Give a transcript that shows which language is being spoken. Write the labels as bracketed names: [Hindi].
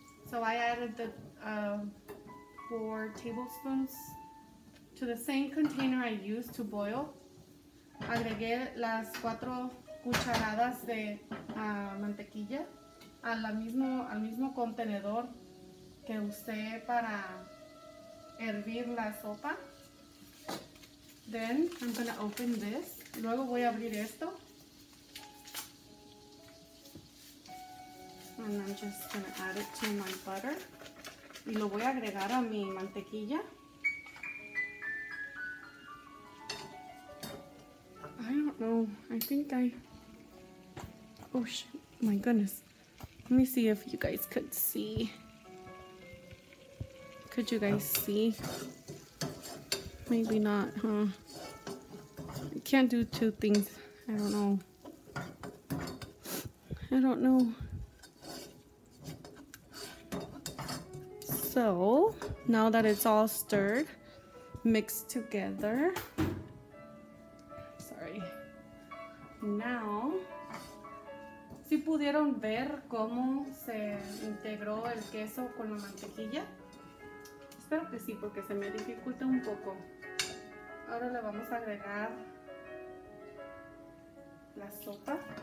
[English] So I added the 4 tablespoons to the same container I used to boil. [Spanish] Agregué las 4 cucharadas de mantequilla al mismo contenedor que usé para hervir la sopa. [English] Then I'm gonna open this. [Spanish] Luego voy a abrir esto. [English] And I'm just gonna add it to my butter. [Spanish] Y lo voy a agregar a mi mantequilla. [English] I don't know. I think I... Oh, shit. My goodness. Let me see if you guys could see. Could you guys see? Maybe not, huh? I can't do 2 things. I don't know. So, now that it's all stirred, mixed together. Sorry. [Spanish] Now, ¿sí pudieron ver cómo se integró el queso con la mantequilla? Espero que sí, porque se me dificulta un poco. Ahora le vamos a agregar la sopa.